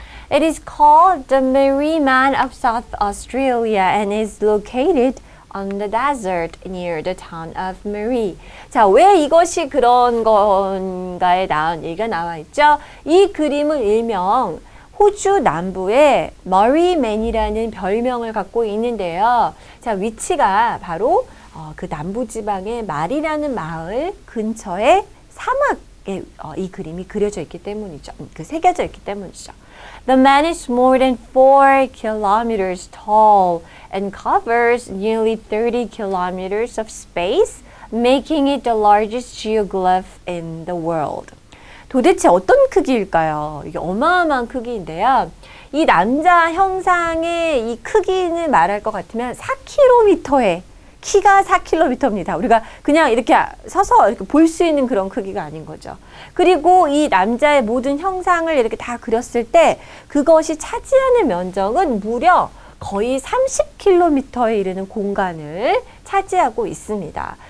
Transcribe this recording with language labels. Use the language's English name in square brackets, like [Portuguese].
[English] It is called the Marine Man of South Australia and is located on the desert near the town of Marie. [Korean] 자, 왜 이것이 그런 건가에 나온 얘기가 나와 있죠. 이 그림은 일명 호주 남부에 머리맨이라는 별명을 갖고 있는데요. 자, 위치가 바로 그 남부 지방의 마리라는 마을 근처의 사막에 이 그림이 그려져 있기 때문이죠. 그 새겨져 있기 때문이죠. [English] The man is more than 4 kilometers tall and covers nearly 30 kilometers of space, making it the largest geoglyph in the world. [Korean] 도대체 어떤 크기일까요? 이게 어마어마한 크기인데요. 이 남자 형상의 이 크기는 말할 것 같으면 4km에 키가 4km입니다. 우리가 그냥 이렇게 서서 이렇게 볼 수 있는 그런 크기가 아닌 거죠. 그리고 이 남자의 모든 형상을 이렇게 다 그렸을 때 그것이 차지하는 면적은 무려 거의 30km에 이르는 공간을 차지하고 있습니다.